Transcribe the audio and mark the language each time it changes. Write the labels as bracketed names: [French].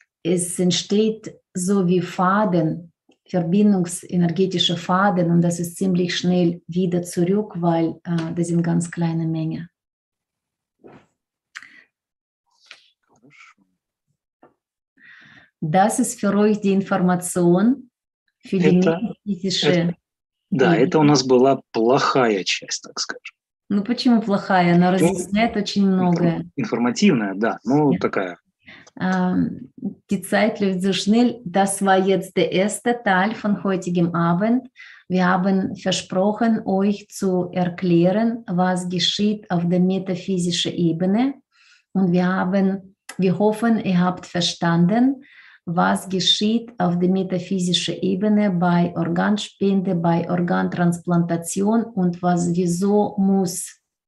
[German] Es entsteht so wie Faden, verbindungsenergetische Faden und das ist ziemlich schnell wieder zurück, weil das sind ganz kleine Mengen. Das ist für euch die Information für die медицинische. [Russian] Да, это у нас была плохая часть, так скажем. Ну почему плохая? Она разъясняет очень многое. Информативная, да, ну такая. [German] Die Zeit läuft so schnell. Das war jetzt der erste Teil von heutigem Abend. Wir haben versprochen, euch zu erklären, was geschieht auf der metaphysischen Ebene, und wir hoffen, ihr habt verstanden, was geschieht auf der metaphysischen Ebene bei Organspende, bei Organtransplantation und wieso muss